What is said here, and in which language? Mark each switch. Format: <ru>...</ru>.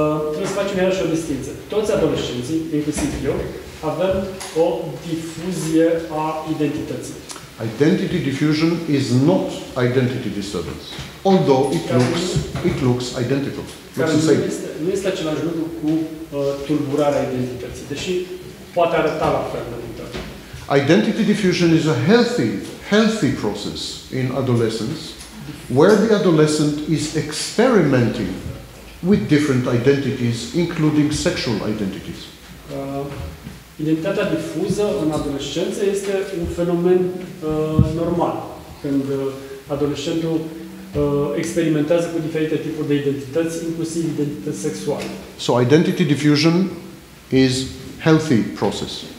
<ro>Trebuie să facem iarăși o distinție. Toți adolescenții, inclusiv eu, avem o difuzie a identității.</ro> <en>Identity diffusion is not identity disturbance, although it looks identical. Looks the same.</en> <ro>Nu este același lucru cu tulburarea identității, deși poate arăta la fel de multă.</ro> <en>Identity diffusion is a healthy process in adolescence, where the adolescent is experimenting with different identities, including sexual identities.</en> <ro>Identitatea difuză în adolescență este un fenomen normal, când adolescentul experimentează cu diferite tipuri de identități, inclusiv identități sexuale.</ro> <en>So identity diffusion is healthy process.</en>